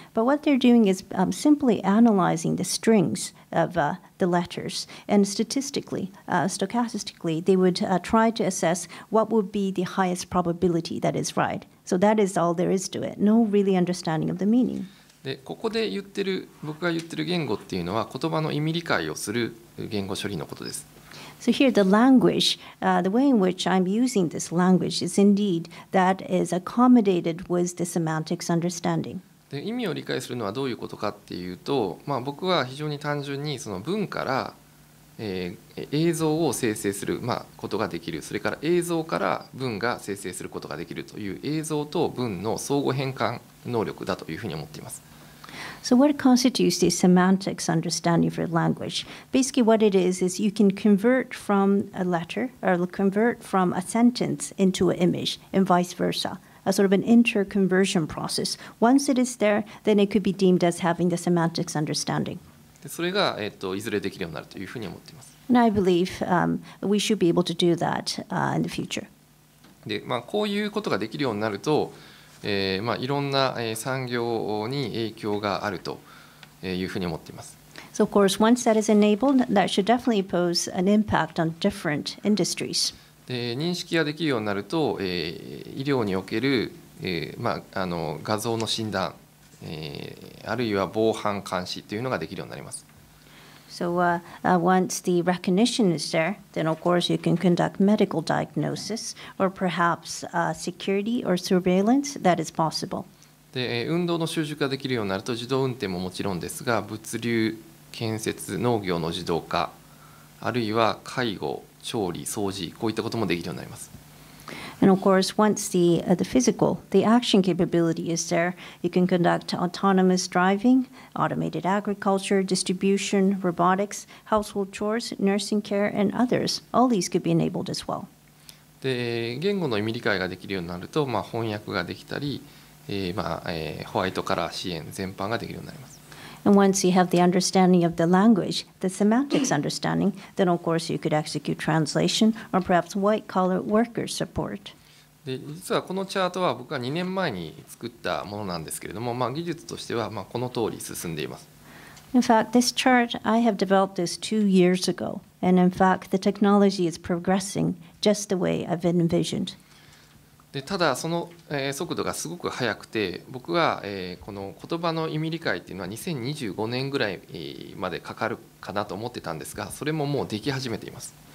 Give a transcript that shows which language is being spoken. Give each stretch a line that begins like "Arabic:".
English: But what they're doing is simply analyzing the strings of the letters. And statistically, stochastically, they would try to assess what would be the highest probability that is right. So that is all there is to it. No really understanding of the meaning.
Japanese: で、ここで言ってる、僕が言ってる言語っていうのは言葉の意味理解をする言語処理のことです。
English: So here the language, the way in which I'm using this language is indeed that is accommodated with the semantics understanding.
Japanese: で、意味を理解するのはどういうことかっていうと、僕は非常に単純にその文から、映像を生成する、ことができる、それから映像から文が生成することができるという映像と文の相互変換能力だというふうに思っています。
English: So what constitutes the semantics understanding for language? Basically what it is you can convert from a letter or convert from a sentence into an image and vice versa, a sort of an interconversion process. Once it is there, then it could be deemed as having the semantics understanding.
Japanese: それが、いずれできるようになるというふうに思っています。
English: And I believe we should be able to do that in the future.
Japanese: で、こういうことができるようになると、いろんな産業に影響があるというふうに思っています。
English: So of course, once that is enabled, that should definitely pose an impact on different industries.
Japanese: 認識ができるようになると、医療における、画像の診断、あるいは防犯監視というのができるようになります。
English: So once the recognition is there, then of course you can conduct medical diagnosis or perhaps security or surveillance that is possible.
Japanese: で、運動の習熟ができるようになると自動運転ももちろんですが、物流、建設、農業の自動化、あるいは介護、調理、掃除、こういったこともできるようになります。
English: And of course, once the physical, the action capability is there, you can conduct autonomous driving, automated agriculture, distribution, robotics, household chores, nursing care, and others. All these could be enabled as well.
Japanese: で、言語の意味理解ができるようになると、翻訳ができたり、ホワイトカラー支援全般ができるようになります。
English: And once you have the understanding of the language, the semantics understanding, then of course you could execute translation or perhaps white collar worker support.
Japanese: で、実はこのチャートは僕が2年前に作ったものなんですけれども、技術としてはこの通り進んでいます。
English: In fact, this chart, I have developed this 2 years ago. And in fact, the technology is progressing just the way I've envisioned.
Japanese: で、ただその速度がすごく速くて、僕はこの言葉の意味理解っていうのは2025年ぐらいまでかかるかなと思ってたんですが、それももうでき始めています。